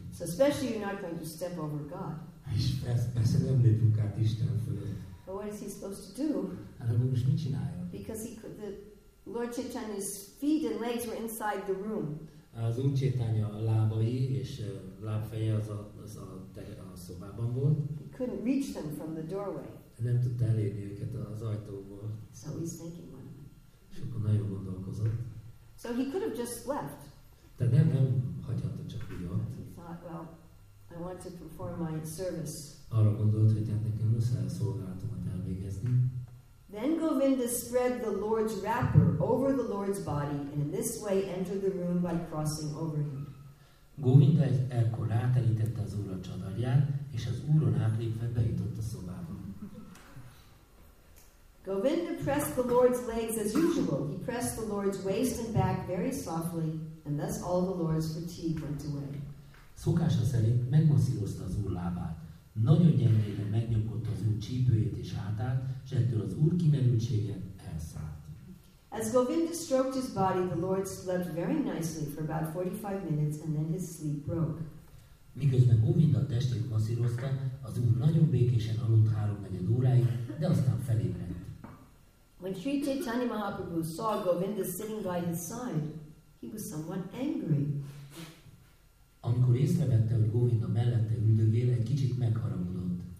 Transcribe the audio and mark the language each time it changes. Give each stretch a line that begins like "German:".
English: So especially you're not going to step over God.
Hungarian: És persze nem lépünk át Isten fölött.
English: But what is he supposed to do?
Hungarian: Hát akkor most mit csinálja?
English: Because the Lord Chaitanya's feet and legs were inside the room.
Hungarian: Az Úr Chaitanya lábai és lábfeje a szobában volt.
English: He couldn't reach them from the doorway.
Hungarian: Nem tudta elérni őket az ajtóból.
English: So he's thinking, what am I?
Hungarian: És akkor nagyon gondolkozott.
English: So he could have just left.
Hungarian: De nem hagyhatta csak úgy ott.
English: He thought, well, I want to perform my service.
Hungarian: Arra gondolt, hogy nekem muszáj a szolgálatomat elvégezni.
English: Then Govinda spread the Lord's wrapper over the Lord's body and in this way entered the room by crossing over him.
Hungarian: Govinda ekkor ráterítette az úr a csadarját, és az úron átlépve bejutott a szobába.
English: Govinda pressed the Lord's legs as usual. He pressed the Lord's waist and back very softly, and thus all the Lord's fatigue went away.
Hungarian: Szokása szerint megmasszírozta az Úr lábát. Nagyon gyengére megnyomkodta az Úr csípőjét és hátát, s ettől az Úr kimerültsége elszállt.
English: As Govinda stroked his body, the Lord slept very nicely for about 45 minutes, and then his sleep broke.
Hungarian: Miközben Govinda testét masszírozta, az Úr nagyon békésen aludt 3-4 óráig, de aztán felébredt.
English: When Sri Chaitanya Mahaprabhu saw Govinda sitting by his side, he was somewhat angry.
Hungarian: Amikor észrevette, hogy Govinda mellette üldögél, egy kicsit megharagudott.